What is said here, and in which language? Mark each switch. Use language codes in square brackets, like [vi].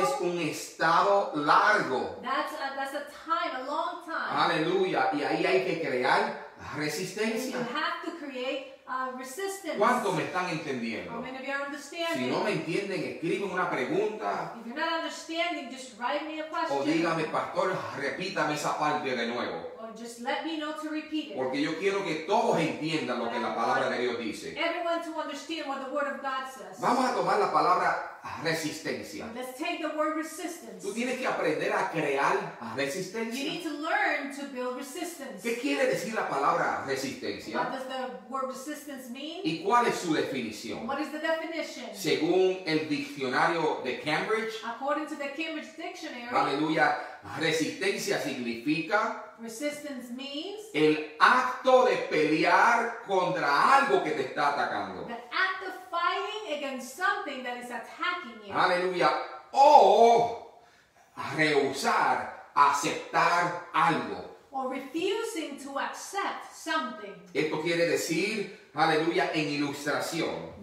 [es] Eso es un estado largo. [en] That's a time, a long time. [es] Aleluya. Y ahí hay que crear resistencia. [en] And you have to create resistance. [es] ¿Cuánto me están entendiendo? [en] How many of you are understanding? [es] Si no me entienden, escriben una pregunta. [en] If you're not understanding, just write me a question. [es] O dígame, pastor, repítame esa parte de nuevo. [en] Or just let me know to repeat it. [es] Porque yo quiero que todos entiendan lo que la palabra de Dios dice. [en] Everyone to understand what the word of God says. [es] Vamos a tomar la palabra resistencia. [en] Let's take the word resistance. [es] Tú tienes que aprender a crear resistencia. [en] You need to learn to build resistance. [es] ¿Qué quiere decir la palabra resistencia? [en] What does the word resistance mean? [es] ¿Y cuál es su definición? [en] What is the definition? [es] Según el diccionario de Cambridge. [en] According to the Cambridge Dictionary. [es] Aleluya. Resistencia significa [en] resistance means [es] el acto de pelear contra algo que te está atacando. [en] The act of fighting against something that is attacking you. [es] Aleluya. O rehusar aceptar algo. [en] Or refusing to accept something. [es] Esto quiere decir, aleluya, en ilustración.